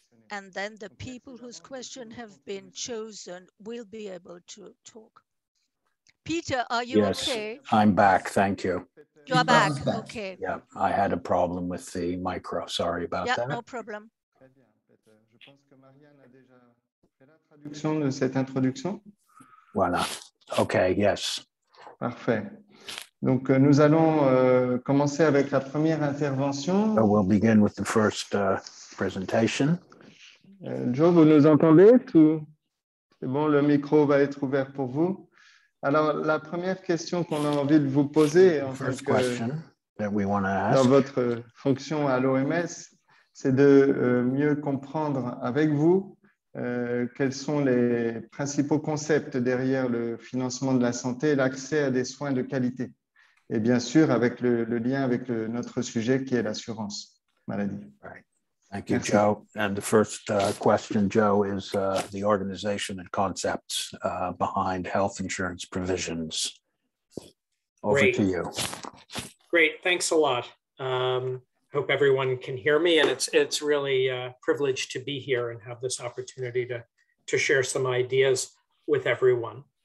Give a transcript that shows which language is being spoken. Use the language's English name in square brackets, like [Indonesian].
[English] And then the people whose questions have been chosen will be able to talk. Peter, are you yes, okay? I'm back, thank you. You are back. Okay. Yeah, I had a problem with the micro. Sorry about yeah, that. Yeah, no problem. [French] Je pense que Marianne a déjà fait la traduction de cette introduction. [English] Voilà. Okay, yes. [French] Parfait. Donc, nous allons commencer avec la première intervention. [English] So we'll begin with the first presentation. [French] Joe, vous nous entendez? C'est bon, le micro va être ouvert pour vous. Alors, la première question qu'on a envie de vous poser en [English] first question that we want to ask. [French] Dans votre fonction à l'OMS, c'est de mieux comprendre avec vous quels sont les principaux concepts derrière le financement de la santé et l'accès à des soins de qualité. Et bien sûr, avec le lien avec notre sujet qui est l'assurance maladie. [English] Right. Thank you, Merci. Joe. And the first question, Joe, is the organization and concepts behind health insurance provisions. Over Great. To you. Great. Thanks a lot. Hope everyone can hear me. And it's really a privilege to be here and have this opportunity to share some ideas with everyone.